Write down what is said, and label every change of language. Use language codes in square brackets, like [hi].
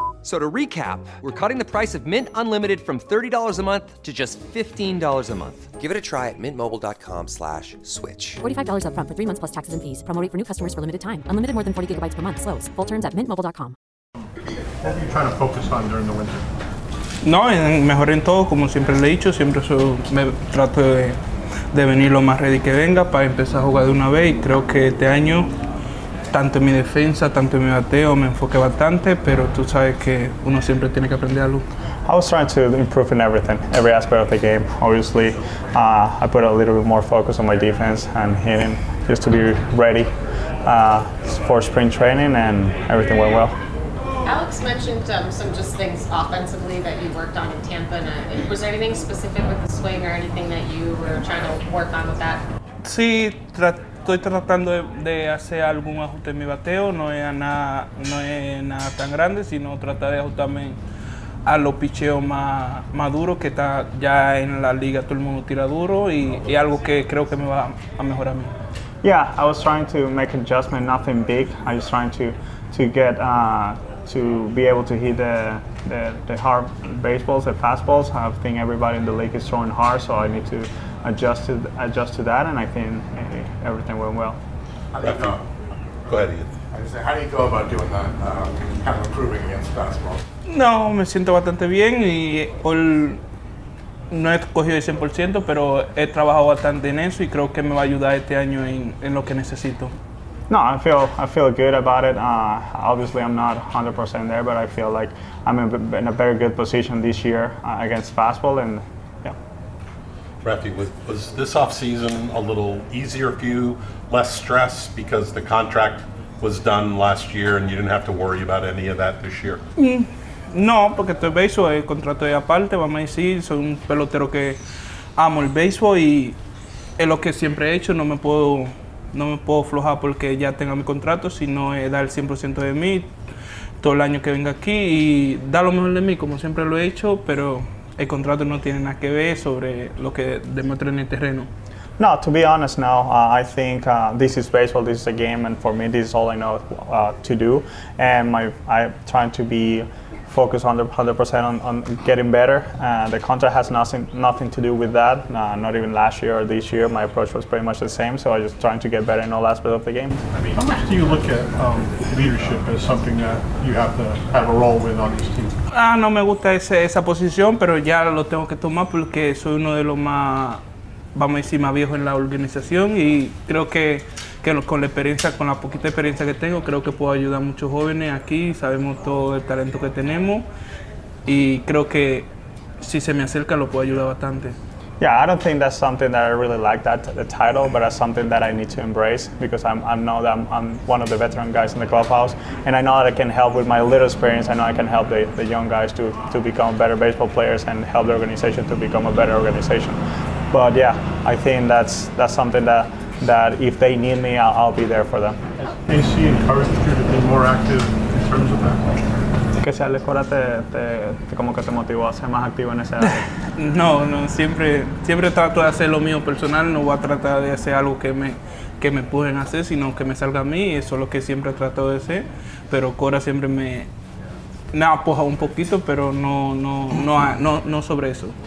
[en] So to recap, we're cutting the price of Mint Unlimited from $30 a month to just $15 a month. Give it a try at mintmobile.com/switch. $45 up front for 3 months plus taxes and fees. Promo rate for new customers for limited time. Unlimited more than 40 gigabytes per month. Slows full terms at mintmobile.com. What are you trying to focus on during the winter? [es] No, mejor en todo, como siempre le he dicho. Siempre me trato de venir lo más ready que venga para empezar a jugar de una vez. Y creo que este año, tanto en mi defensa, tanto en mi bateo, me enfoqué bastante, pero tú sabes que uno siempre tiene que aprender algo. [en] I was trying to improve in everything, every aspect of the game. Obviously, I put a little bit more focus on my defense and hitting, just to be ready for spring training, and everything went well. Alex mentioned some just things offensively that you worked on in Tampa. Was there anything specific with the swing or anything that you were trying to work on with that? [es] Sí, estoy tratando de hacer algún ajuste en mi bateo, no es nada tan grande, sino tratar de ajustarme a los picheos más duros que está ya en la liga, todo el mundo tira duro y algo que creo que me va a mejorar a mí. [en] Yeah, I was trying to make adjustment, nothing big. I was trying to be able to hit the hard baseballs, the fastballs. I think everybody in the league is throwing hard, so I need to adjust to that, and I think everything went well. How do you go about doing that, kind of improving against fastballs? [es] No, me siento bastante bien y no he cogido el 100%, pero he trabajado bastante en eso y creo que me va a ayudar este año en lo que necesito. [en] No, I feel good about it. Obviously, I'm not 100% there, but I feel like I'm in a very good position this year against fastball, and yeah. Rafi, was this offseason a little easier for you, less stress because the contract was done last year and you didn't have to worry about any of that this year? [es] No, porque estoy baseball, el contrato es aparte, vamos a decir, soy un pelotero que amo el baseball y es lo que siempre he hecho, no me puedo aflojar porque ya tenga mi contrato, sino dar el 100% de mí todo el año que venga aquí y dar lo mejor de mí, como siempre lo he hecho, pero el contrato no tiene nada que ver sobre lo que demuestro en el terreno. [en] No, to be honest now, I think this is baseball, this is a game, and for me this is all I know to do, and I'm trying to be focused 100% on getting better. The contract has nothing to do with that, not even last year or this year. My approach was pretty much the same, so I was just trying to get better in all aspects of the game. How much do you look at leadership as something that you have to have a role with on this team? [es] No me gusta esa posición, pero ya lo tengo que tomar porque soy uno de los más, vamos a decir, más viejo en la organización y creo que con la experiencia, con la poquita experiencia que tengo, creo que puedo ayudar a muchos jóvenes aquí, sabemos todo el talento que tenemos y creo que si se me acerca lo puedo ayudar bastante. [en] Yeah, I don't think that's something that I really like, that the title, but that's something that I need to embrace, because I know that I'm one of the veteran guys in the clubhouse, and I know that I can help with my little experience. I know I can help the young guys to become better baseball players and help the organization to become a better organization. But yeah, I think that's something that if they need me, I'll be there for them. Is she encouraged you to be more active in terms of that? [es] Que sea la escuela te como que te motivó a ser más activo en ese área. No, siempre trato de hacer lo mío personal, no voy a tratar de hacer algo que me pueden hacer, sino que me salga a mí, y eso es lo que siempre trato de hacer, pero Cora siempre me apoja un poquito, pero no sobre eso.